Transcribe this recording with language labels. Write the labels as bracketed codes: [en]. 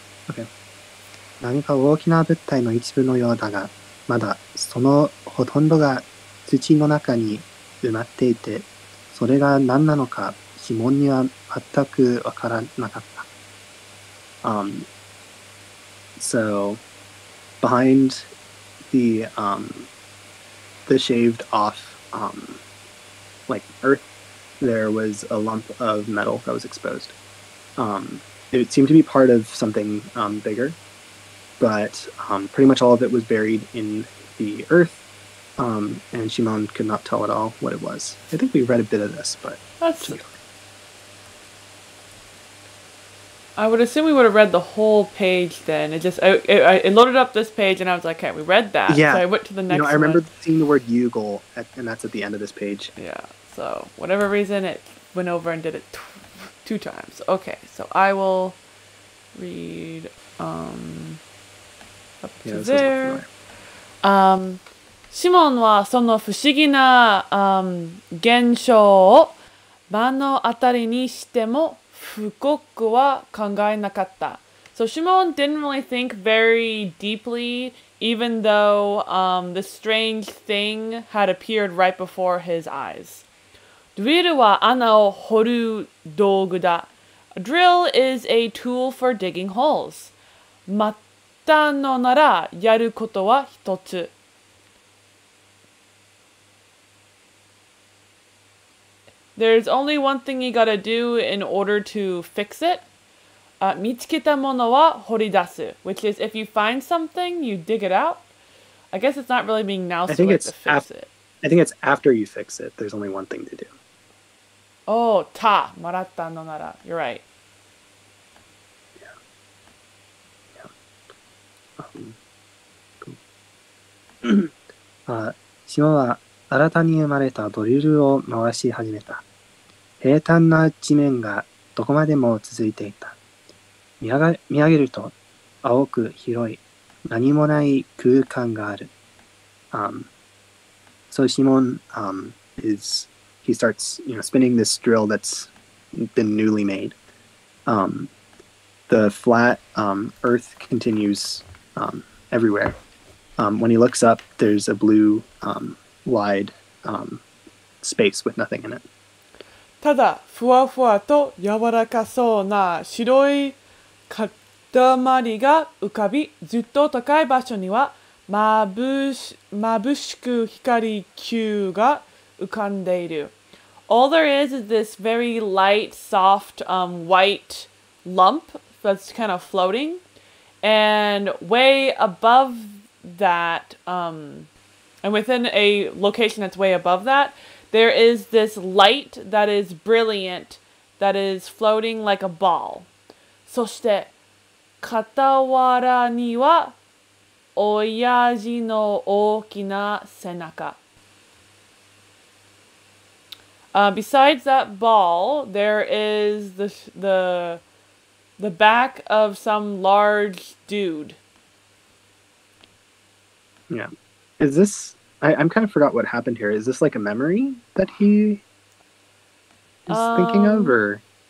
[en] Okay. [ja] 何か大きな物体の一部のようだが、まだそのほとんどが土の中に埋まっていて、それが何なのか指紋には全くわからなかった。 [en] So behind the shaved off like earth, there was a lump of metal that was exposed. It seemed to be part of something bigger, but pretty much all of it was buried in the earth, and Shimon could not tell at all what it was. I think we read a bit of this, but... I would assume we would have read the whole page then. It loaded up this page, and I was like, okay, we read that. Yeah. So I went to the next one. I remember seeing the word Yugle, and that's at the end of this page. Yeah, so whatever reason, it went over and did it two times. Okay, so I will read up to there. [ja] Shimon はその不思議な現象を目の当たりにしても深くは考えなかった。 [en] So Shimon didn't really think very deeply, even though the strange thing had appeared right before his eyes. [ja] ドリルは穴を掘る道具だ。 [en] A drill is a tool for digging holes. [ja] まったのならやることは一つ。 [en] There's only one thing you gotta do in order to fix it. [ja] 見つけたものは掘り出す。 [en] Which is, if you find something, you dig it out. I guess it's not really being now so like to fix it. I think it's after you fix it, there's only one thing to do. [ja] Oh, ta, maratta no nara. [en] You're right. Yeah. Yeah. [ja] シモは新たに生まれたドリルを回し始めた。平坦な地面がどこまでも続いていた。見上げると青く広い何もない空間がある。 [en] So Shimon is... He starts, you know, spinning this drill that's been newly made. The flat earth continues everywhere. When he looks up, there's a blue wide space with nothing in it. [ja] ただふわふわと柔らかそうな白い塊が浮かび、ずっと高い場所にはまぶしく光球が浮かんでいる。 [en] All there is this very light, soft, white lump that's kind of floating. And way above that, and within a location that's way above that, there is this light that is brilliant that is floating like a ball. [ja] そして、傍らには、親父の大きな背中。 [en] Besides that ball, there is the back of some large dude. Yeah. Is this... I'm kind of forgot what happened here. Is this like a memory that he is thinking of, or...?